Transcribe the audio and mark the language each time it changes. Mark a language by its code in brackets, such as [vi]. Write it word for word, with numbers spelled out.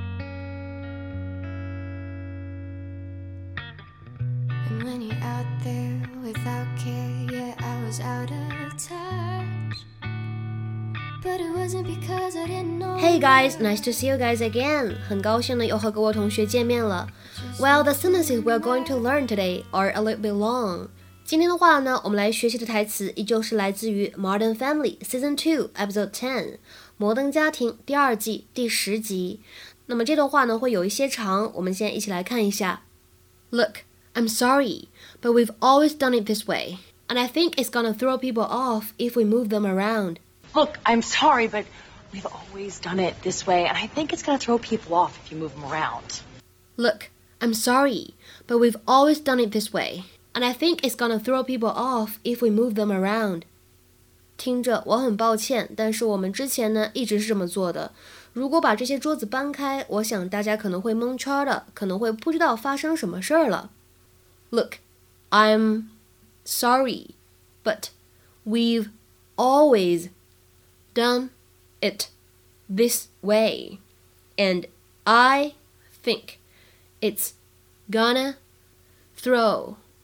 [en] And when you're out there without care, yeah, I was out of touch. But it wasn't because I didn't know. Hey guys, nice to see you guys again. [zh] 很高兴的又和各位同学见面了。 [en] Well, the sentences we're going to learn today are a little bit long. [zh] 今天的话呢，我们来学习的台词依旧是来自于 Modern Family Season two Episode ten 摩登家庭第二季第十集。那么这段话呢会有一些长，我们先一起来看一下。 [en] Look, I'm sorry, but we've always done it this way, and I think it's gonna throw people off if we move them around. Look, I'm sorry, but we've always done it this way, and I think it's gonna throw people off if you move them around. Look, I'm sorry, but we've always done it this way. And I think it's gonna throw people off if we move them around. [zh] 听着，我很抱歉，但是我们之前呢一直是这么做的。如果把这些桌子搬开，我想大家可能会蒙圈的，可能会不知道发生什么事儿了。 [en] Look, I'm sorry, but we've always done it this way, and I think it's gonna throw.